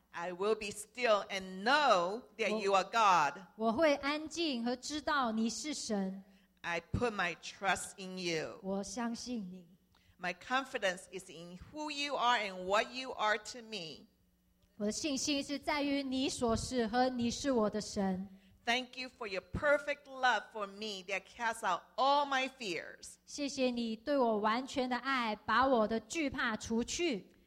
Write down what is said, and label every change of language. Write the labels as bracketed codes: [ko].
[en] I will be still and know that you are God. [zh] 我会安静和知道你是神 [en] I put my trust in you. [zh] 我相信你 [en] My confidence is in who you are and what you are to me. [zh] 我的信心是在于你所是和你是我的神 [en] Thank you for your perfect love for me that casts out all my fears. [zh] 谢谢你对我完全的爱，把我的惧怕除去。